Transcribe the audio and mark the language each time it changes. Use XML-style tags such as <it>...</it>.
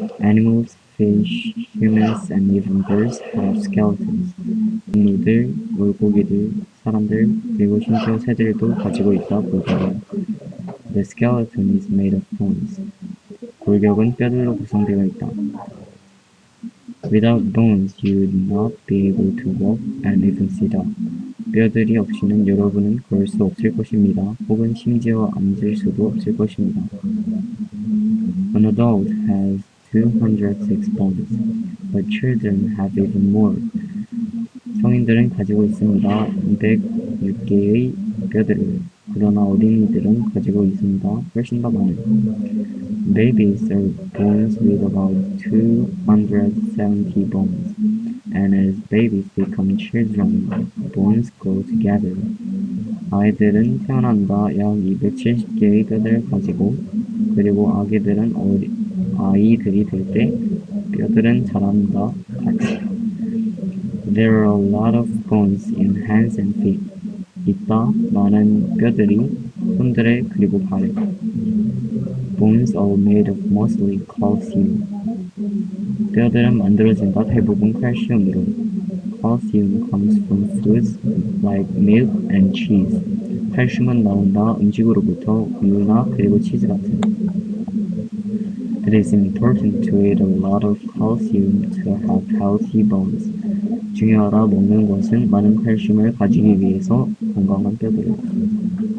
<en>Animals, fish, humans, and even birds have skeletons.</en> <ko>동물들, 물고기들, 사람들, 그리고 심지어 새들도 가지고 있다 볼까요?</ko> <en>The skeleton is made of bones.</en> <ko>골격은 뼈들로 구성되어 있다.</ko> <en>Without bones, you would not be able to walk and even sit up.</en> <ko>뼈들이 없이는 여러분은 걸 수 없을 것입니다. 혹은 심지어 앉을 수도 없을 것입니다.</ko> <en>An adult has 206 bones, but children have even more.</en> <ko>성인들은 가지고 있습니다. 206개의 뼈들을. 그러나 어린이들은 가지고 있습니다. 훨씬 더 많은.</ko> <en>Babies are born with about 270 bones. And as babies become children, bones go together.</en> <ko>아이들은 태어난다 약 270개의 뼈들을 가지고, 그리고 아기들은 아이들이 될 때 뼈들은 자란다 같이.</ko> <en>There are a lot of bones in hands and feet.</en> <ko>있다, 많은 뼈들이 손들에 그리고 발에.</ko> <en>Bones are made of mostly calcium.</en> <ko>뼈들은 만들어진다 대부분 칼슘으로.</ko> <en>Calcium comes from foods like milk and cheese.</en> <ko>칼슘은 나온다 음식으로부터 우유나 그리고 치즈 같은.</ko> <en>It is important to eat a lot of calcium to have healthy bones.</en> <ko>중요하다 먹는 것은 많은 칼슘을 가지기 위해서 건강한 뼈들입니다.</ko>